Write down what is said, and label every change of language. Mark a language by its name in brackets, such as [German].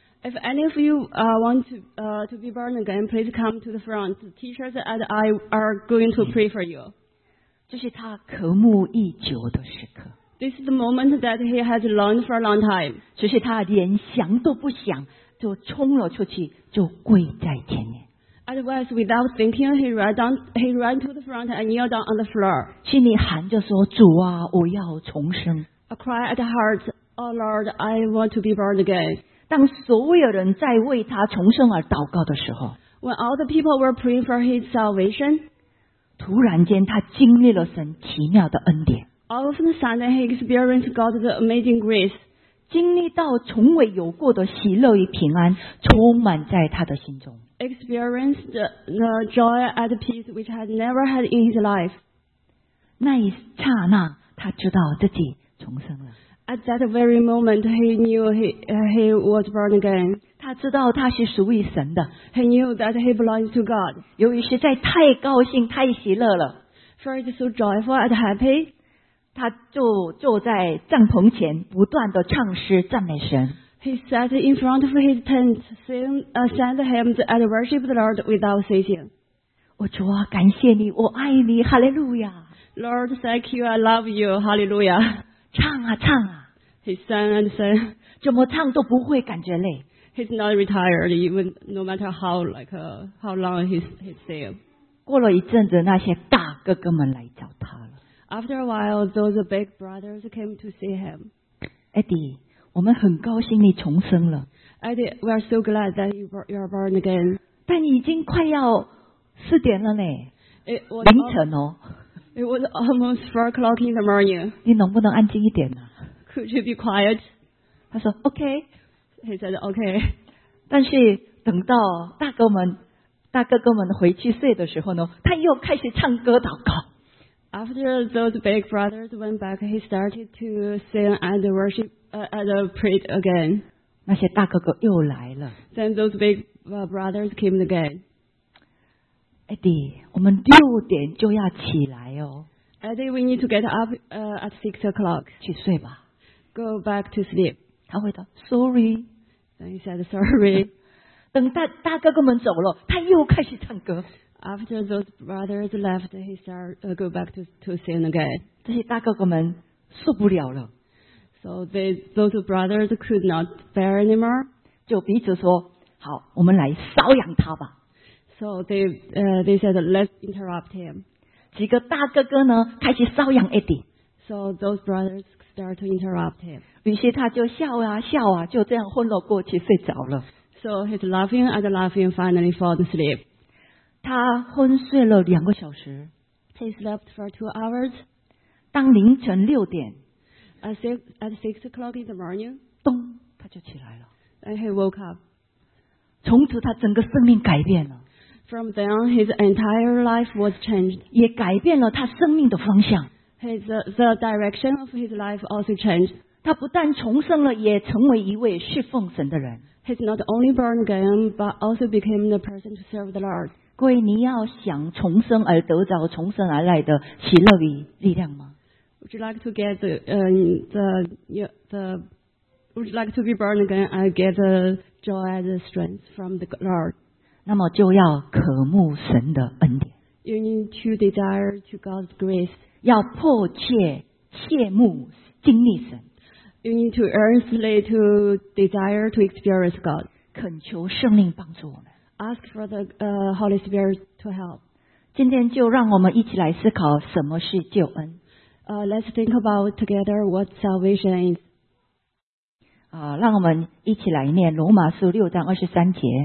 [English] If any of you want to be born again, please come to the front. The teachers and I are going to pray for you. [Chinese] 这是他渴慕已久的时刻。 [English] This is the moment that he has longed for a long time. [Chinese] 只是他连想都不想就冲了出去，就跪在前面。 [English] At once, without thinking, he ran to the front and kneeled down on the floor. [Chinese] 心里喊着说：“主啊，我要重生。 [English] ”A cry at heart, Oh Lord, I want to be born again. [Chinese] 当所有人在为他重生而祷告的时候 [English] ，When all the people were praying for his salvation, [Chinese] 突然间他经历了神奇妙的恩典。 [English] All of a sudden, he experienced God's amazing grace. [Chinese] 经历到从未有过的喜乐与平安充满在他的心中。 [English] Experienced the joy and peace which had never had in his life. [Chinese] 那一刹那，他知道自己重生了。 [English] At that very moment, he knew he was born again. [Chinese] 他知道他是属于神的。 [English] He knew that he belongs to God. [Chinese] 由于实在太高兴、太喜乐了。 [English] For he's so joyful and happy. [Chinese] 他就坐在帐篷前不断地唱诗赞美神。 [English] He sat in front of his tent, sang hymns and worshiped the Lord without ceasing. [Chinese] 我主啊，感谢你，我爱你，哈利路亚。 [English] Lord, thank you, I love you, hallelujah. [Chinese] 唱啊唱啊。 [English] He sang and sang. [Chinese] 怎么唱都不会感觉累。 [English] He's not retired, even no matter how long he's there. [Chinese] 过了一阵子，那些大哥哥们来找他。 [English] After a while, those big brothers came to see him. [Chinese] Eddie, 我们很高兴你重生了。 [English] Eddie, we are so glad that you are born again. [Chinese] 但已经快要四点了呢。 [English] It was [Chinese] 凌晨哦。 [English] It was almost 4 o'clock in the morning. [Chinese] 你能不能安静一点呢？ [English] Could you be quiet? [Chinese] 他说 OK. [English] He said OK. [Chinese] 但是等到大哥哥们回去睡的时候呢，他又开始唱歌祷告。 [English] After those big brothers went back, he started to sing and worship and pray again. [Chinese] 那些大哥哥又来了。 [English] Then those big brothers came again. [Chinese] Eddie, 我们六点就要起来哦。 [English] Eddie, we need to get up at 6 o'clock. [Chinese] 去睡吧。 [English] Go back to sleep. [Chinese] 他回答 , [English] Sorry. Then he said, Sorry. [Chinese] 等大哥哥们走了，他又开始唱歌。 [English] After those brothers left, he started go back to sin again. [Chinese] 这些大哥哥们受不了了。 [English] So those brothers could not bear anymore. [Chinese] 就彼此说，好，我们来搔痒他吧。 [English] So they said, let's interrupt him. [Chinese] 几个大哥哥呢，开始搔痒 Eddie. [English] So those brothers start to interrupt him. [Chinese] 于是他就笑啊笑啊，就这样昏了过去，睡着了。 [English] So he's laughing and laughing, finally fall asleep. [Chinese] 他昏睡了两个小时。 [English] He slept for 2 hours. [Chinese] 当凌晨六点 [English] ，at 6 o'clock in the morning， [Chinese] 咚，他就起来了。 [English] And he woke up. [Chinese] 从此他整个生命改变了。 [English] From then, his entire life was changed. [Chinese] 也改变了他生命的方向。 [English] the direction of his life also changed. [Chinese] 他不但重生了，也成为一位侍奉神的人。 [English] He's not only born again, but also became the person to serve the Lord. [Chinese] 各位，你要想重生而得着重生而来的喜乐与力量吗？ [English] Would you like to get Would you like to be born again and get the joy and the strength from the Lord? [Chinese] 那么就要渴慕神的恩典。 [English] You need to desire to God's grace. [Chinese] 要迫切切慕经历神。 [English] You need to earnestly to desire to experience God. [Chinese] 恳求圣灵帮助我们。 [English] Ask for the Holy Spirit to help. [Chinese] 今天就让我们一起来思考什么是救恩。 [English] Let's think about together what salvation is. [Chinese] 让我们一起来念罗马书六章二十三节。